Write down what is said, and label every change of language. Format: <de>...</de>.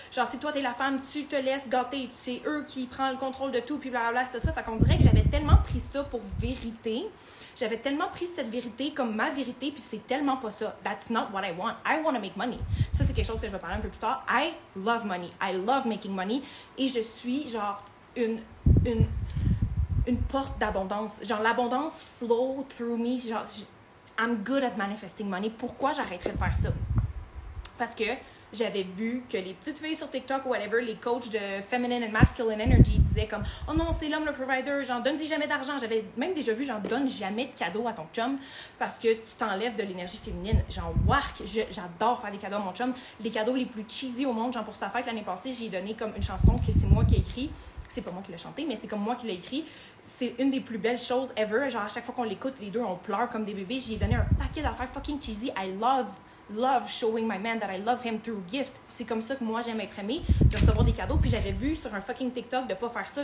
<fr>Genre, si toi, t'es la femme, tu te laisses gâter, c'est eux qui prennent le contrôle de tout, puis blablabla, c'est ça. Fait qu'on dirait que j'avais tellement pris ça pour vérité, j'avais tellement pris cette vérité comme ma vérité, puis c'est tellement pas ça.</fr> <en>That's not what I want. I want to make money.</en> <fr>Ça, c'est quelque chose que je vais parler un peu plus tard.</fr> <en>I love money. I love making money.</en> <fr>Et je suis genre une porte d'abondance. Genre, l'abondance</fr> <en>flow through me. Genre, I'm good at manifesting money.</en> <fr>Pourquoi j'arrêterais de faire ça? Parce que j'avais vu que les petites filles sur TikTok ou whatever, les coachs de Feminine and Masculine Energy disaient comme, oh non, c'est l'homme le provider. Genre, donne-y jamais d'argent. J'avais même déjà vu, genre, donne jamais de cadeaux à ton chum parce que tu t'enlèves de l'énergie féminine. Genre, wark, j'adore faire des cadeaux à mon chum. Les cadeaux les plus cheesy au monde, genre, pour sa fête l'année passée, j'ai donné comme une chanson que c'est moi qui ai écrit. C'est pas moi qui l'ai chanté, mais c'est comme moi qui l'ai écrit. C'est une des plus belles choses ever. Genre, à chaque fois qu'on l'écoute, les deux, on pleure comme des bébés. J'y ai donné un paquet d'affaires fucking cheesy.</fr> <en>I love, love showing my man that I love him through gift.</en> <fr>C'est comme ça que moi, j'aime être aimée, de recevoir des cadeaux. Puis j'avais vu sur un fucking TikTok de pas faire ça.</fr>